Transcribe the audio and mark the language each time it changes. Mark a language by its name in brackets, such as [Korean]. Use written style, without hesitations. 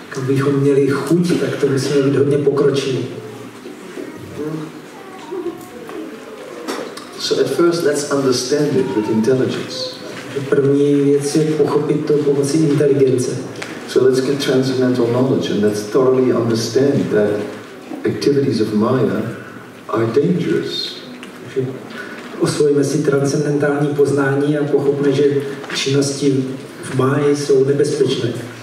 [Czech] Kdybychom měli chuť, tak to musíme být hodně pokročili. [English] So at first let's understand it with intelligence. [Czech] První věc je pochopit to pomocí inteligence. [English] So let's get transcendental knowledge and let's thoroughly understand that activities of Maya are dangerous. [Czech] Osvojíme si transcendentální poznání a pochopme, že činnosti v Maji jsou nebezpečné.